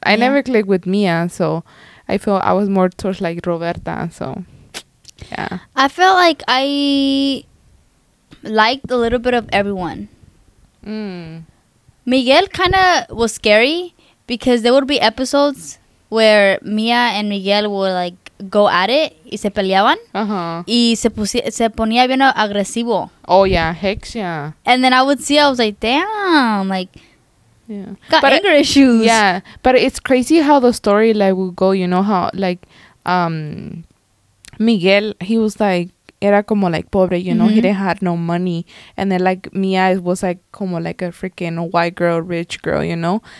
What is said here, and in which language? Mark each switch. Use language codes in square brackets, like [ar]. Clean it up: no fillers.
[en] I never clicked with Mia, so I felt I was more towards, like, Roberta, so, yeah. I felt like I liked a little bit of everyone. Miguel kind of was scary because there would be episodes where Mia and Miguel would, like, go at it [es] y se peleaban. [en] Uh-huh. [es] Y se ponía bien agresivo. [en] Oh, yeah. Hex, yeah. And then I would see, I was like, damn, like, yeah, got anger issues. Yeah, but it's crazy how the story, like, would go, you know, how, like, Miguel, he was, like, [es] era como, [en] like, [es] pobre, [en] you know? Mm-hmm. He didn't have no money. And then, like, Mia was, like, [es] como, [en] like, a freaking white girl, rich girl, you know?